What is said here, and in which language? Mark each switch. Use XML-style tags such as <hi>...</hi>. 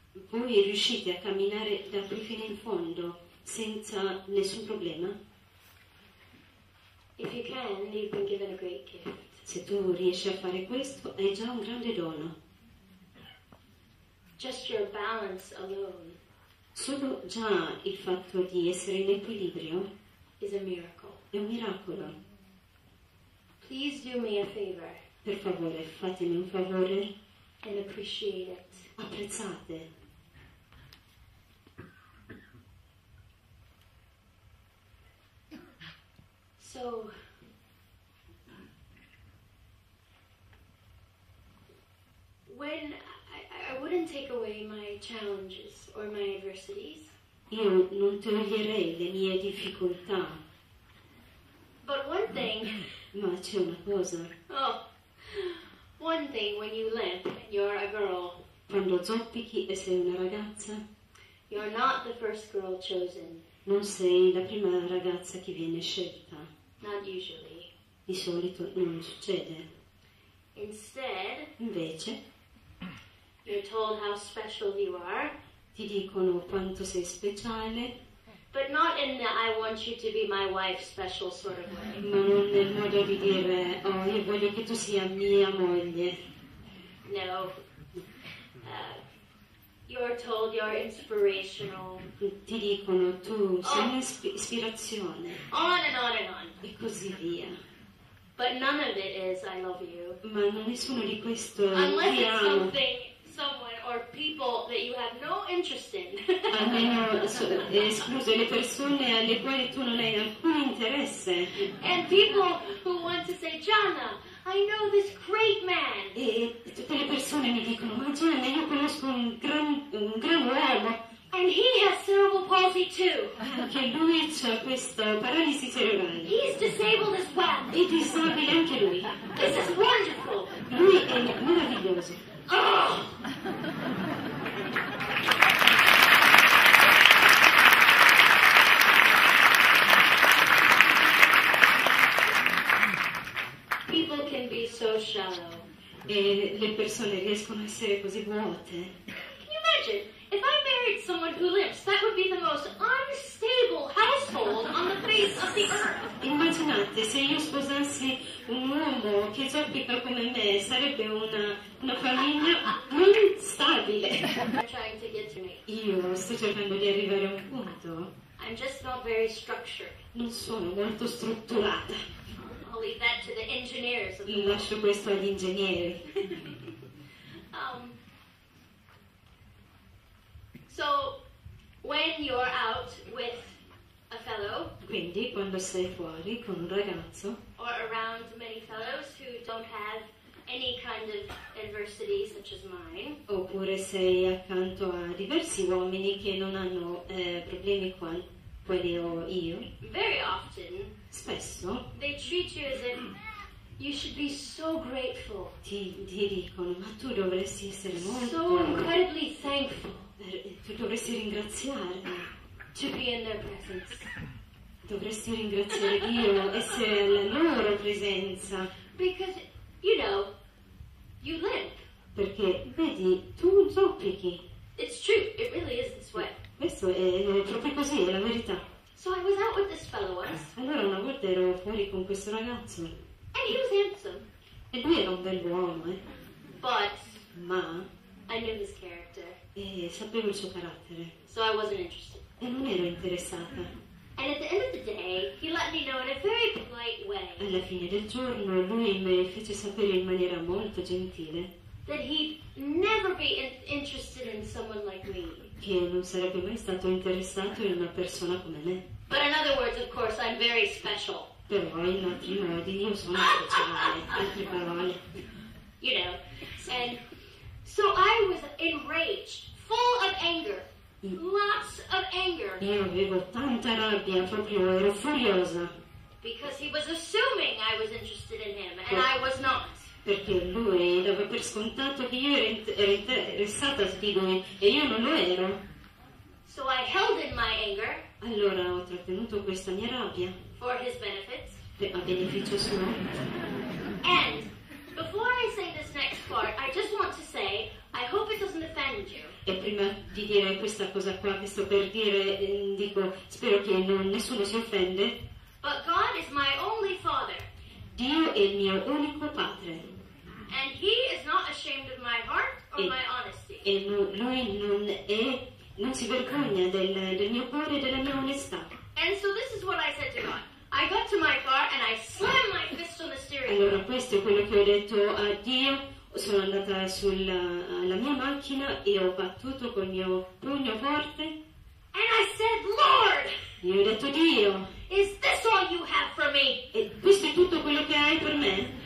<it>Voi riuscite a camminare da qui fino in fondo senza nessun problema?</it> <en>If you can, you've been given a great gift.</en> <it>Se tu riesci a fare questo, è già un grande dono.</it> <en>Just your balance alone.</en> <it>Solo già il fatto di essere in equilibrio</it> <en>is a miracle.</en> <it>È un miracolo.</it> <en>Please do me a favor.</en> <it>Per favore, fatemi un favore.</it> <en>And appreciate it.</en> <it>Apprezzate.</it> <en>So, when I wouldn't take away my challenges or my adversities.</en> <it>Io non toglierei le mie difficoltà.</it> <en>But one thing.</en> <it>Ma c'è una cosa.</it> <en>Oh, one thing when you limp and you're a girl.</en> <it>Quando zoppichi e sei una ragazza.</it> <en>You are not the first girl chosen.</en> <it>Non sei la prima ragazza che viene scelta.</it> <en>Not usually.</en> <it>Di solito non succede.</it> <en>Instead,</en> <it>invece,</it> <en>you're told how special you are.</en> <it>Ti dicono quanto sei speciale.</it> <en>But not in the I want you to be my wife special sort of way.</en> <it>Ma non nel modo di dire, oh, io voglio che tu sia mia moglie.</it> <en>No. You're told you're inspirational.</en> <it>Ti dicono tu sei ispirazione.</it> <en>On and on and on.</en> <it>E così via.</it> <en>But none of it is I love you.</en> <it>Ma nessuno di questo ti amo.</it> <en>Unless it's something, someone or people that you have no interest in.</en> <it>Almeno escluso le persone alle quali tu non hai alcun interesse.</it> <en>And people who want to say, Gianna, I know this great man.</en> <it>E tutte le persone mi dicono, ma Gianna, io conosco un gran uomo.</it> <en>And he has cerebral palsy too.</en> <it>Che lui c'ha questa paralisi cerebrale.</it> <en>He's disabled as well.</en> <it>E disabile anche lui.</it> <en>This is wonderful.</en> <it>Lui è meraviglioso.</it> <en>People can be so shallow.</en> <it>E le persone riescono a essere così vuote.</it> <en>Can you imagine? If I married someone who lives, that would be the most unstable household on the face of the earth.</en> <it>Immaginate, se io sposassi un uomo che già abita come me, sarebbe una famiglia non stabile. Io sto cercando di arrivare a un punto.</it> <en>I'm just not very structured.</en> <it>Non sono molto strutturata.</it> <en>I'll leave that to the engineers.</en> <it>Lascio questo agli ingegneri.</it> <en>So when you're out with a fellow,</en> <it>quindi quando sei fuori con un ragazzo,</it> <en>or around many fellows who don't have any kind of adversity such as mine,</en> <it>oppure sei accanto a diversi uomini che non hanno problemi quali ho io,</it> <en>very often,</en> <it>spesso,</it> <en>they treat you as if you should be so grateful.</en> <it>Ti dicono, ma tu dovresti essere molto,</it> <en>so incredibly thankful.</en> <it>Tu dovresti ringraziare.</it> <en>To be in their presence.</en> <it>Dovresti ringraziare Dio, essere alla loro presenza.</it> <en>Because, you know, you limp.</en> <it>Perché, vedi, tu zoppichi.</it> <en>It's true, it really is this way.</en> <it>Questo è proprio così, è la verità.</it> <en>So I was out with this fellow once.</en> <it>Allora una volta ero fuori con questo ragazzo.</it> <en>And he was handsome.</en> <it>E lui era un bel uomo,</it> <en>But.</en> <it>Ma.</it> <en>I knew his character.</en> <it>E sapevo il suo carattere.</it> <en>So I wasn't interested.</en> <it>E non ero interessata.</it> <en>And at the end of the day, he let me know in a very polite way.</en> <it>Alla fine del giorno, lui mi fece sapere in maniera molto gentile.</it> <en>That he'd never be interested in someone like me.</en> <it>Che non sarebbe mai stato interessato in una persona come me.</it> <en>But in other words, of course, I'm very special.</en> <it>Però in altri modi, io sono speciale. Altre parole.</it> <en>You know, and so I was enraged, full of anger, lots of anger.</en> <it>Io avevo tanta rabbia, proprio ero furiosa.</it> <en>Because he was assuming I was interested in him, and I was not.</en> <it>Perché lui aveva per scontato che io ero interessata di lui, e io non lo ero.</it> <en>So I held in my anger.</en> <it>Allora ho trattenuto questa mia rabbia.</it> <en>For his benefits.</en> <it>A beneficio suo.</it> <en>And before I say this next part, I just want to say, I hope it doesn't offend you.</en> <it>E prima di dire questa cosa qua, questo per dire, dico, spero che nessuno si offende.</it> <en>But God is my only father.</en> <it>Dio è il mio unico padre.</it> <en>And he is not ashamed of my heart or my honesty.</en> <it>E lui non si vergogna del mio cuore e della mia onestà.</it> <en>And so this is what I said to God. I got to my car and I slammed my fist on the steering wheel.</en> <it>Allora questo è quello che ho detto a Dio. Sono andata alla mia macchina e ho battuto col mio pugno forte.</it> <en>And I said, Lord!</en> <it>Io ho detto, Dio!</it> <en>Is this all you have for me?</en> <it>E questo è tutto quello che hai per me?</it>